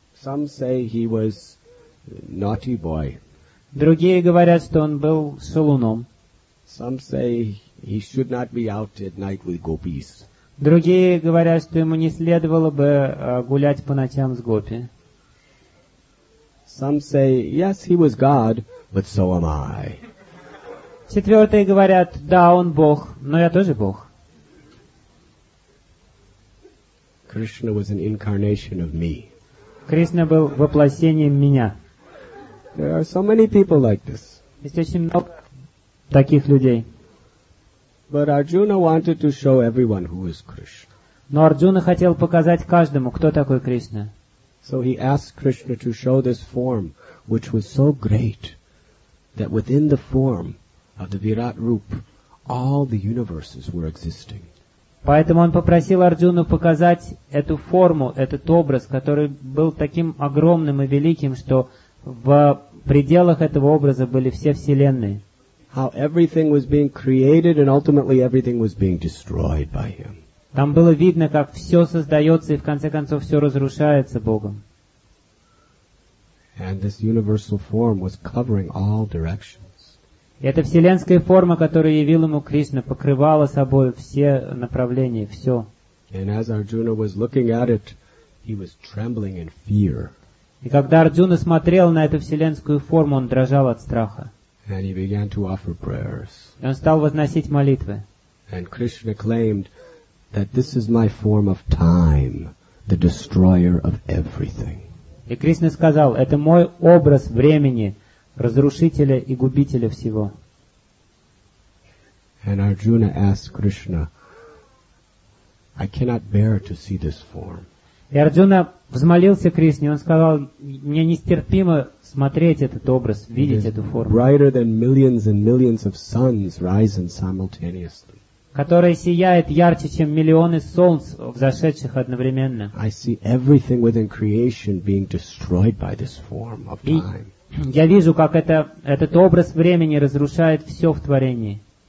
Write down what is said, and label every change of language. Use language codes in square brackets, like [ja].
[en] Some say he was a naughty boy. [ru] Другие говорят, что он был шалуном. [en] Some say he should not be out at night with gopis. [ru] Другие говорят, что ему не следовало бы гулять по ночам с гопи. [en] Some say, yes, he was God, but so am I. [ru] Четвертые говорят, да, он Бог, но я тоже Бог. [en] Krishna was an incarnation of me. [ru] Кришна был воплощением меня. [en] There are so many people like this. [ru] Есть очень много таких людей. [en] But Arjuna wanted to show everyone who is Krishna. [ru] Но Арджуна хотел показать каждому, кто такой Кришна. [en] So he asked Krishna to show this form, which was so great that within the form of the Virat Roop, all the universes were existing. [ru] Поэтому он попросил Арджуну показать эту форму, этот образ, который был таким огромным и великим, что в пределах этого образа были все вселенные. [en] How everything was being created and ultimately everything was being destroyed by him. [ru] Там было видно, как все создается и в конце концов все разрушается Богом. [en] And this universal form was covering all directions. [ru] И эта вселенская форма, которую явил ему Кришна, покрывала собой все направления, все. [en] And as Arjuna was looking at it, he was trembling in fear. [ru] И когда Арджуна смотрел на эту вселенскую форму, он дрожал от страха. [en] And he began to offer prayers. [ru] И он стал возносить молитвы. [en] And Krishna claimed that this is my form of time, the destroyer of everything. [ru] И Кришна сказал, это мой образ времени, разрушителя и губителя всего. [en] And Arjuna asked Krishna, I cannot bear to see this form. [ru] И Арджуна взмолился Кришне, он сказал, мне нестерпимо смотреть этот образ, видеть эту форму. [en] Brighter than millions and millions of suns rising simultaneously. [ru] Которая сияет ярче, чем миллионы солнц, взошедших одновременно. [en] I see everything within creation being destroyed by this form of time. [ru] И я вижу, как этот образ времени разрушает все в творении.